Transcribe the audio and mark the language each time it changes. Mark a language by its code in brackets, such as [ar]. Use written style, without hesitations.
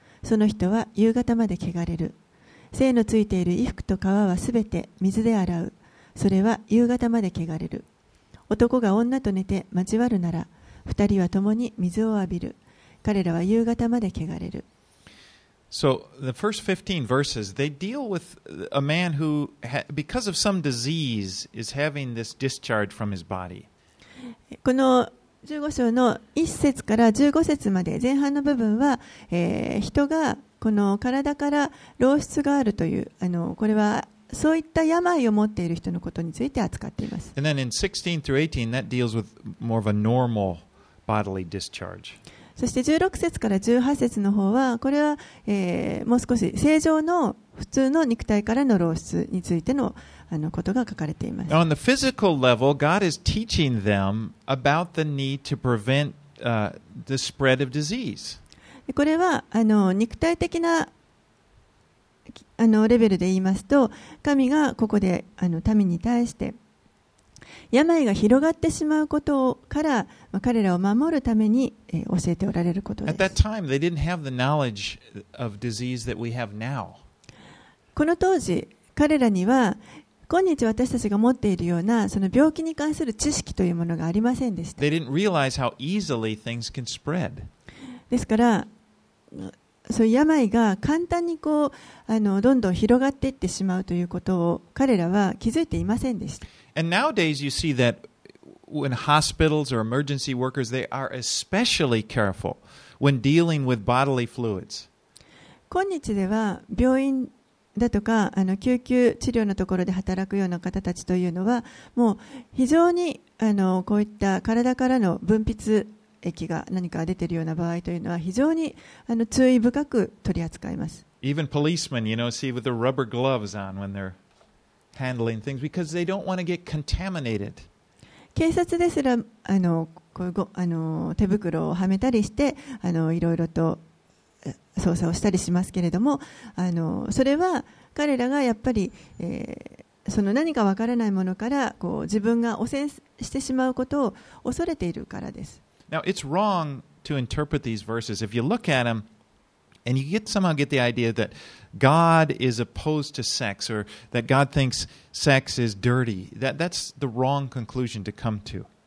[ja] その人は夕方まで汚れる。精のついている衣服と皮はすべて水で洗う。それは夕方まで汚れる。男が女と寝て交わるなら、二人は共に水を浴びる。彼らは夕方まで汚れる。 [en] So, the first 15 verses, they deal with a man who, because of some disease, is having this discharge from his body. [ja] この15章の1節から15節まで、前半の部分は、人がこの体から漏出があるという、これはそういった病を持っている人のことについて扱っています。 [en] And then in 16 through 18, that deals with more of a normal bodily discharge. [ja] そして16節から18節の方は、これは、もう少し正常の普通の肉体からの漏出についてのことが書かれています。 [en] On the physical level, God is teaching them about the need to prevent the spread of disease. [ja] これは肉体的なレベルで言いますと、神がここで民に対して病が広がってしまうことから、まあ、彼らを守るために、教えておられることです。 [en] At that time, they didn't have the knowledge of disease that we have now. [ja] この当時、彼らには今日私たちが持っているようなその病気に関する知識というものがありませんでした。 [en] They didn't realize how easily things can spread. [ja] ですから、そういう病が簡単にこうどんどん広がっていってしまうということを彼らは気づいていませんでした。 [en] And nowadays you see that when hospitals or emergency workers, they are especially careful when dealing with bodily fluids. [ja] 今日では病院だとか救急治療のところで働くような方たちというのはもう非常にこういった体からの分泌液が何か出ているような場合というのは非常に注意深く取り扱います。 [en] Even policemen, you know, see with the rubber gloves on when they're... handling things because they don't want to get contaminated. [ja] 警察ですら手袋をはめたりしていろいろと捜査をしたりしますけれども、それは彼らがやっぱり、その何かわからないものからこう自分が汚染してしまうことを恐れているからです。 [en] Now it's wrong to interpret these verses if you look at them. And you get, somehow get the idea that God is opposed to sex or that God thinks sex is dirty. That's the wrong conclusion to come to.